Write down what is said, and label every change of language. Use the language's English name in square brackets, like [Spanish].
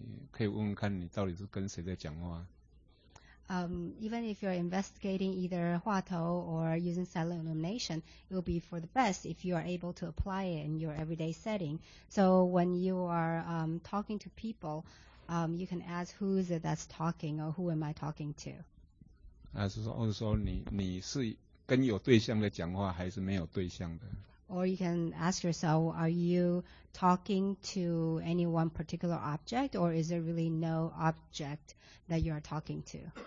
[Chinese] 不过就参话头或是末照，最好能够跟生活上用，生活上你在跟人家互动的时候，你可以问问看你到底是跟谁在讲话。 [English] Even if you're investigating either Hua Tou or using silent illumination, it will be for the best if you are able to apply it in your everyday setting. So when you are talking to people, you can ask who is it that's talking or who am I talking to? [Chinese] 或者说你是跟有对象的讲话还是没有对象的? [English] Or you can ask yourself, are you talking to any one particular object or is there really no object that you are talking to?